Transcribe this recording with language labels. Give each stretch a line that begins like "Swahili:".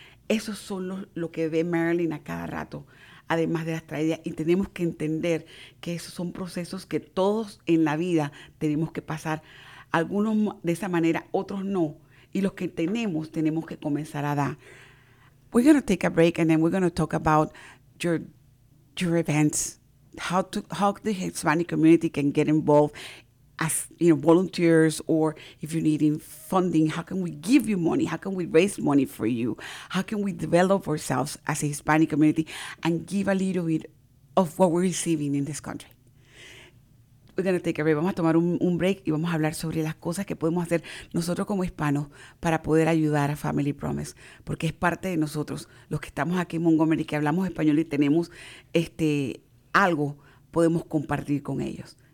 Spanish: Eso son lo que ve Marilyn a cada rato, además de las tragedias. Y tenemos que entender que esos son procesos que todos en la vida tenemos que pasar. Algunos de esa manera, otros no. Y los que tenemos que comenzar a dar.
English: We're going to take a break and then we're going to talk about your events. How the Hispanic community can get involved as, you know, volunteers, or if you're needing funding, how can we give you money? How can we raise money for you? How can we develop ourselves as a Hispanic community and give a little bit of what we're receiving in this country? We're going to take a break.
Spanish: Vamos a tomar un break y vamos a hablar sobre las cosas que podemos hacer nosotros como hispanos para poder ayudar a Family Promise, porque es parte de nosotros, los que estamos aquí en Montgomery, que hablamos español y tenemos algo podemos compartir con ellos.